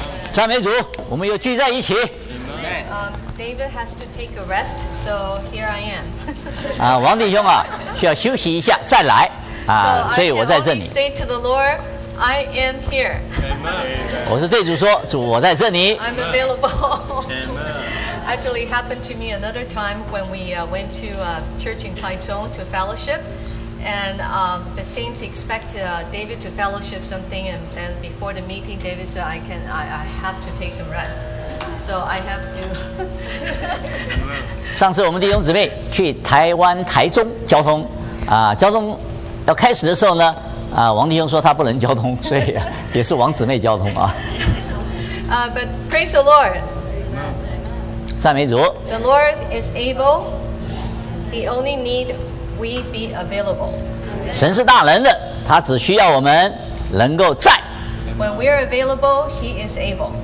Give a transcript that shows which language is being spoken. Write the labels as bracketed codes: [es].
[zh] 赞美主，我们又聚在一起。 [en] David has to take a rest, so here I am. [zh] 啊，王弟兄啊，需要休息一下再来啊，所以我在这里。 [en] Say to the Lord, I am here. [zh] 我是对主说，主我在这里。 [en] I'm available. Actually, happened to me another time when we went to a church in Taichung to fellowship. And the saints expect David to fellowship something, and then before the meeting, David said, I have to take some rest. So so I have to. [zh] 上次我们弟兄姊妹去台湾台中交通，交通要开始的时候呢，王弟兄说他不能交通，所以也是王姊妹交通啊。 [en] But praise the Lord. [zh] 赞美主。 [en] The Lord is able. He only need we be available. [zh] 神是大能的，他只需要我们能够在。 [en] When we are available, He is able.